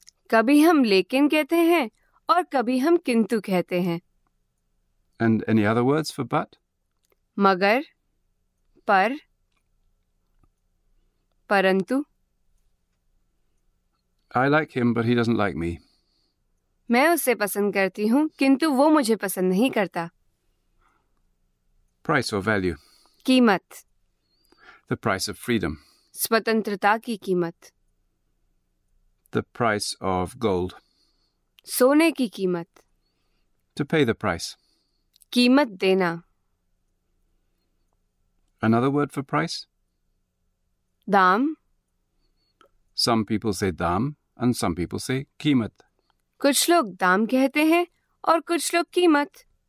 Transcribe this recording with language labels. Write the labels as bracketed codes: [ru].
[hi] कभी हम लेकिन कहते हैं और कभी हम किंतु कहते हैं. [en] And any other words for but? [hi] मगर, पर, परंतु. [en] I like him, but he doesn't like me. [hi] मैं उसे पसंद करती हूँ किंतु वो मुझे पसंद नहीं करता. [en] Price or value. [hi] कीमत. [en] The price of freedom. [hi] स्वतंत्रता की कीमत. [en] The price of gold. [hi] सोने की कीमत. [en] To pay the price. [hi] कीमत देना. [en] Another word for price? [hi] दाम. [en] Some people say दाम and some people say कीमत. [hi] कुछ लोग दाम कहते हैं और कुछ लोग कीमत.